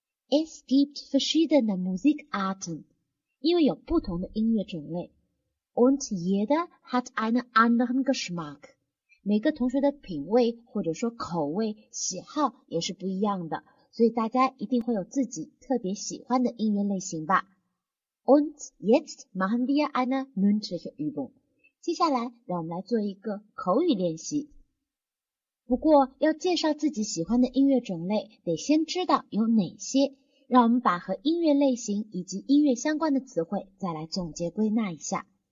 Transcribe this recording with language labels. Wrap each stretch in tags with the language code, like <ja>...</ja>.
<de>Es gibt verschiedene Musikarten.</de> <zh>因为有不同的音乐种类。</zh> <de>Und jeder hat einen anderen Geschmack.</de> <zh>每个同学的品味或者说口味、喜好也是不一样的，所以大家一定会有自己特别喜欢的音乐类型吧。</zh> <de>Und jetzt machen wir eine mündliche Übung.</de> <zh>接下来让我们来做一个口语练习。不过要介绍自己喜欢的音乐种类得先知道有哪些，让我们把和音乐类型以及音乐相关的词汇再来总结归纳一下。</zh>